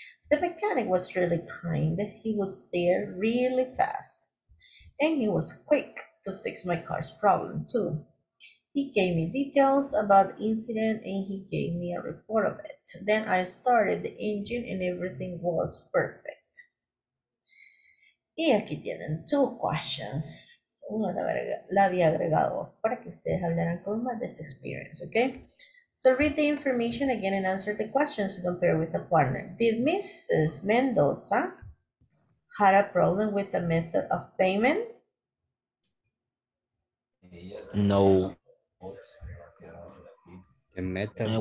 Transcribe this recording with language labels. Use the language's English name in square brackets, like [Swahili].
[English] The mechanic was really kind. He was there really fast. And he was quick to fix my car's problem too. He gave me details about the incident and he gave me a report of it. Then I started the engine and everything was perfect. [Spanish] Y aquí tienen [English] two questions. [Spanish] Una la había agregado para que ustedes hablaran con más de su [English] experience, okay? So read the information again and answer the questions to compare with the partner. Did Mrs. Mendoza had a problem with the method of payment? No. The method